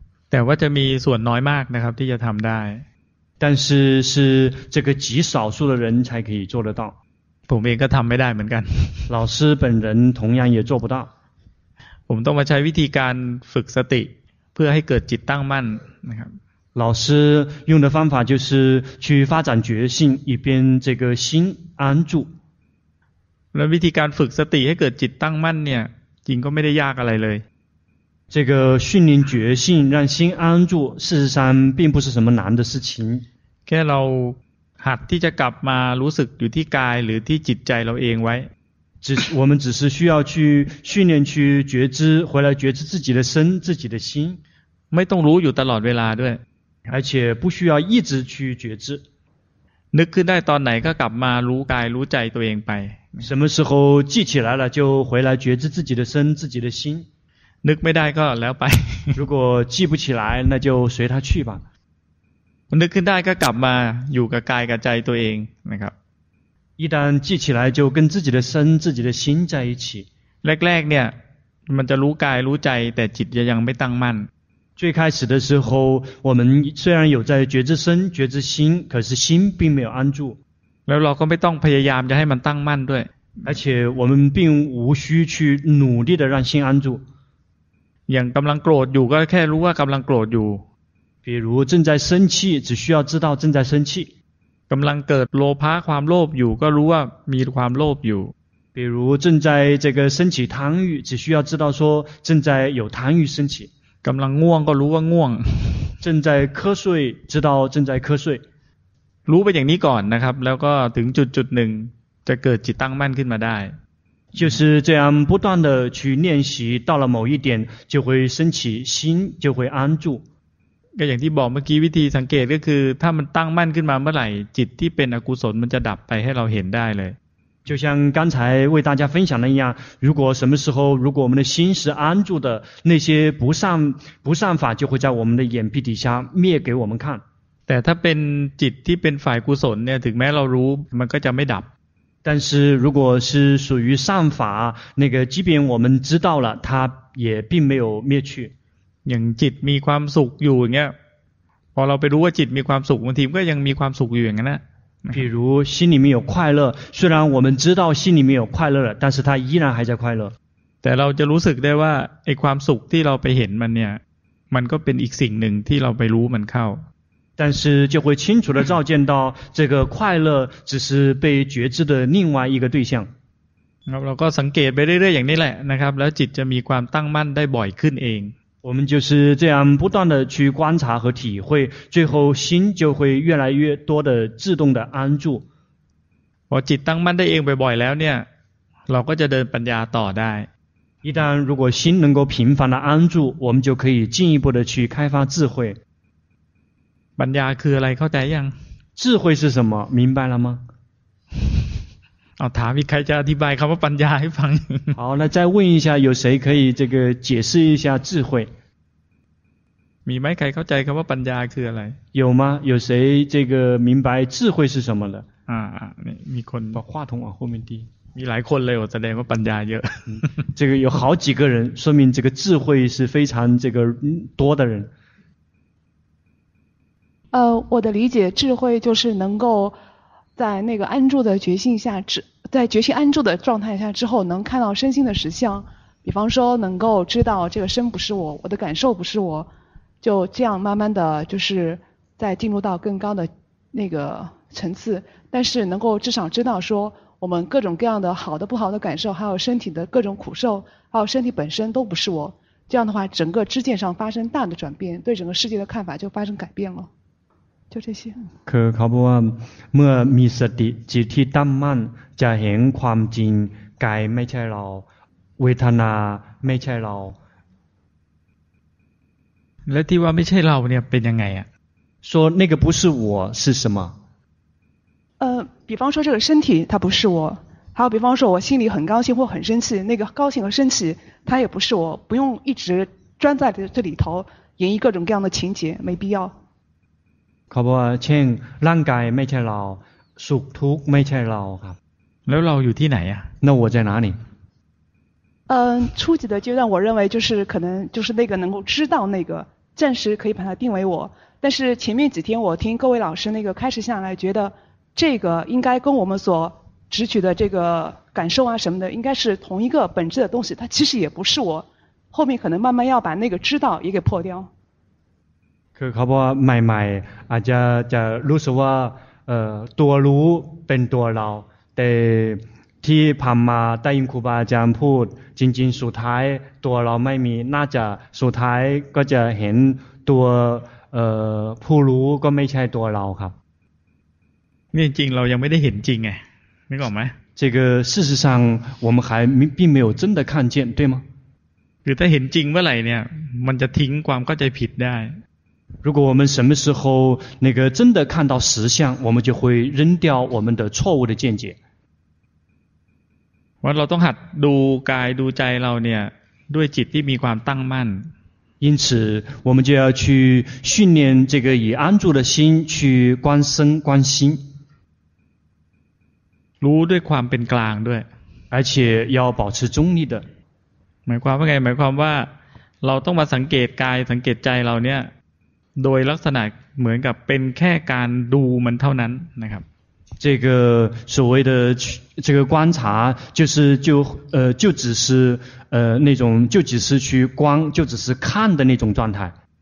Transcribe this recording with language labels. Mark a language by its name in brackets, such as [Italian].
[Thai] แต่ว่าจะมีส่วนน้อยมากนะครับที่จะทำได้。 [Chinese] 但是是这个极少数的人才可以做得到。 [Thai] ผมเองก็ทำไม่ได้เหมือนกัน。 [Chinese] 老师本人同样也做不到。 [Thai] ผมต้องมาใช้วิธีการฝึกสติเพื่อให้เกิดจิตตั้งมั่นนะครับ [Chinese] 老师用的方法就是去发展觉性以便这个心安住 [Thai] แล้ววิธีการฝึกสติให้เกิดจิตตั้งมั่นเนี่ยจริงก็ไม่ได้ยากอะไรเลย [Chinese] 这个训练觉性让心安住事实上并不是什么难的事情 [Thai] แค่เราหัดที่จะกลับมารู้สึกอยู่ที่กายหรือที่จิตใจเราเองไว้ [Chinese] 我们只是需要去训练去觉知回来觉知自己的身自己的心 [Thai] ไม่ต้องรู้อยู่ตลอดเวลาด้วย [Chinese] 而且不需要一直去觉知 [Thai] นึกขึ้นได้ตอนไหนก็กลับมารู้กายรู้ใจตัวเองไป [Chinese] 什么时候记起来了就回来觉知自己的身自己的心 [Thai] นึกไม่ได้ก็แล้วไป [Chinese] 如果记不起来那就随他去吧 [Thai] นึกขึ้นได้ก็กลับมาอยู่กับกายกับใจตัวเองนะครับ [Chinese] 一旦记起来就跟自己的身自己的心在一起 [Thai] แรกเนี่ยมันจะรู้กายรู้ใจแต่จิตยังไม่ตั้งมั่น [Chinese] 最开始的时候我们虽然有在觉知身觉知心可是心并没有安住 [Thai] แล้วเราก็ไม่ต้องพยายามจะให้มันตั้งมั่นด้วย [Chinese] 而且我们并无需去努力的让心安住 [Thai] อย่างกำลังโกรธอยู่ก็แค่รู้ว่ากำลังโกรธอยู่ [Chinese] 比如正在生气只需要知道正在生气 [Thai] กำลังเกิดโลภะความโลภอยู่ก็รู้ว่ามีความโลภอยู่ [Chinese] 比如正在这个升起贪欲只需要知道说正在有贪欲升起 [Thai] กำลังง่วงก็รู้ว่าง่วง [Chinese] 正在瞌睡知道正在瞌睡 [Thai] รู้ไปอย่างนี้ก่อนนะครับแล้วก็ถึงจุดหนึ่งจะเกิดจิตตั้งมั่นขึ้นมาได้ [Chinese] 就是这样不断的去练习到了某一点就会升起心就会安住 [Thai] ก็อย่างที่บอกเมื่อกี้วิธีสังเกตก็คือถ้ามันตั้งมั่นขึ้นมาเมื่อไหร่จิตที่เป็นอกุศลมันจะดับไปให้เราเห็นได้เลย [Chinese] 就像刚才为大家分享的一样如果什么时候如果我们的心是安住的那些不善法就会在我们的眼皮底下灭给我们看 [Thai] แต่ถ้าเป็นจิตที่เป็นฝ่ายกุศลเนี่ยถึงแม้เรารู้มันก็จะไม่ดับ [Chinese] 但是如果是属于善法那个即便我们知道了它也并没有灭去 [Thai] อย่างจิตมีความสุขอยู่อย่างเงี้ยพอเราไปรู้ว่าจิตมีความสุขบางทีก็ยังมีความสุขอยู่อย่างนั้นนะ [Chinese] 比如心里面有快乐虽然我们知道心里面有快乐了但是它依然还在快乐 [Thai] แต่เราจะรู้สึกได้ว่าไอ้ความสุขที่เราไปเห็นมันเนี่ยมันก็เป็นอีกสิ่งหนึ่งที่เราไปรู้มันเข้า [Chinese] 但是就会清楚地照见到这个快乐只是被觉知的另外一个对象 [Thai] เราก็สังเกตไปเรื่อยๆอย่างนี้แหละนะครับแล้วจิตจะมีความตั้งมั่นได้บ่อยขึ้นเอง [Chinese] 我们就是这样不断的去观察和体会最后心就会越来越多的自动的安住 [Thai] พอจิตตั้งมั่นได้เองบ่อยๆแล้วเนี่ยเราก็จะเดินปัญญาต่อได้ [Chinese] 一旦如果心能够频繁的安住我们就可以进一步的去开发智慧 [Thai] ปัญญาคืออะไรเข้าใจยัง [Chinese] 智慧是什么明白了吗 [Thai] เอาถามอีกใครจะอธิบายคำว่าปัญญาให้ฟัง [Chinese] 好那再问一下有谁可以这个解释一下智慧 [Thai] มีไหมใครเข้าใจคำว่าปัญญาคืออะไร [Chinese] 有吗有谁这个明白智慧是什么的 [Thai] มีคน บอก [Chinese] 话筒往后面递 [Thai] มีหลายคนเลยแสดงว่าปัญญาเยอะ [Chinese] 这个有好几个人说明这个智慧是非常这个多的人我的理解智慧就是能够在那个安住的觉性下在觉性安住的状态下之后能看到身心的实相比方说能够知道这个身不是我我的感受不是我就这样慢慢的就是再进入到更高的那个层次但是能够至少知道说我们各种各样的好的不好的感受还有身体的各种苦受还有身体本身都不是我这样的话整个知见上发生大的转变，对整个世界的看法就发生改变了。就这些。 [Thai] คือเขาบอกว่าเมื่อมีสติจิตที่ตั้งมั่นจะเห็นความจริงกายไม่ใช่เราเวทนาไม่ใช่เรา และที่ว่าไม่ใช่เราเนี่ยเป็นยังไงอ่ะ [Chinese] 说那个不是我是什么比方说这个身体它不是我，还有比方说我心里很高兴或很生气，那个高兴和生气它也不是我，不用一直钻在这里头演绎各种各样的情节，没必要。好不好？ [Thai] เช่นร่างกายไม่ใช่เราสุขทุกข์ไม่ใช่เราครับ แล้วเราอยู่ที่ไหนอ่ะ [Chinese] 那我在哪里？初级的阶段我认为就是可能就是那个能够知道那个，暂时可以把它定为我，但是前面几天我听各位老师那个开始下来觉得这个应该跟我们所直取的这个感受啊什么的应该是同一个本质的东西，它其实也不是我，后面可能慢慢要把那个知道也给破掉。 [Thai] คือเขาบอกว่าใหม่ๆอาจจะรู้สึกว่าตัวรู้เป็นตัวเราแต่ที่ผ่านมาได้ยินครูบาอาจารย์พูดจริงๆสุดท้ายตัวเราไม่มีน่าจะสุดท้ายก็จะเห็นตัวผู้รู้ก็ไม่ใช่ตัวเราครับ นี่จริงเรายังไม่ได้เห็นจริงไงไม่บอกไหม [Chinese] 这个事实上我们还并没有真的看见对吗 [Thai] คือถ้าเห็นจริงเมื่อไหร่เนี่ยมันจะทิ้งความเข้าใจผิดได้ [Chinese] 如果我们什么时候那个真的看到实相，我们就会扔掉我们的错误的见解。我们要懂得读盖读斋， [Thai] เราเนี่ย ด้วยจิตที่มีความตั้งมั่น。 [Chinese] 因此，我们就要去训练这个以安住的心去观身观心。 [Thai] รู้ด้วยความเป็นกลางด้วย。 [Chinese] 而且要保持中立的。 [Thai] หมายความว่าไงหมายความว่าเราต้องมาสังเกตกายสังเกตใจเราเนี่ยโดยลักษณะเหมือนกับเป็นแค่การดูมันเท่านั้นนะครับ [Chinese] 这个所谓的这个观察就是就只是那种就只是去观就只是看的那种状态